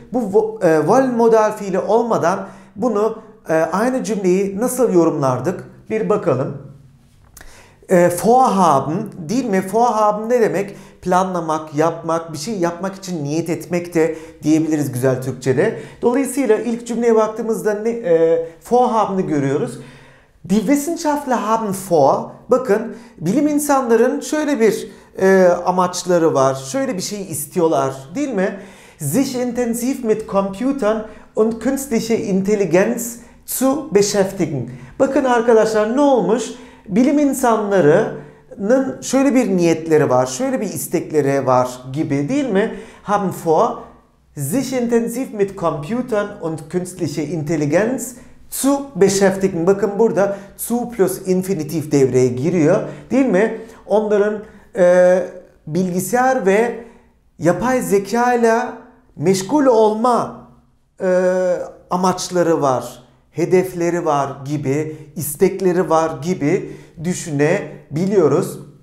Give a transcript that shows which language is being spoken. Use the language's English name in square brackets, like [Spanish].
[Turkish] Bu wollen modal fiili olmadan bunu aynı cümleyi nasıl yorumlardık? Bir bakalım. Vorhaben değil mi? Vorhaben ne demek? Planlamak, yapmak, bir şey yapmak için niyet etmek de diyebiliriz güzel Türkçe'de. Dolayısıyla ilk cümleye baktığımızda vorhaben'ı görüyoruz. [German] Die Wissenschaftler haben vor. [Turkish] Bakın, bilim insanların şöyle bir amaçları var. Şöyle bir şey istiyorlar değil mi? [German] Sich intensiv mit Computern und künstliche Intelligenz zu beschäftigen. [Turkish] Bakın arkadaşlar, ne olmuş? Bilim insanlarının şöyle bir niyetleri var, şöyle bir istekleri var gibi değil mi? [German] Haben vor, sich intensiv mit Computern und künstliche Intelligenz zu beschäftigen. [Turkish] Bakın burada zu plus infinitif devreye giriyor değil mi? Onların bilgisayar ve yapay zeka ile meşgul olma amaçları var, hedefleri var gibi, istekleri var gibi düşünebiliyoruz.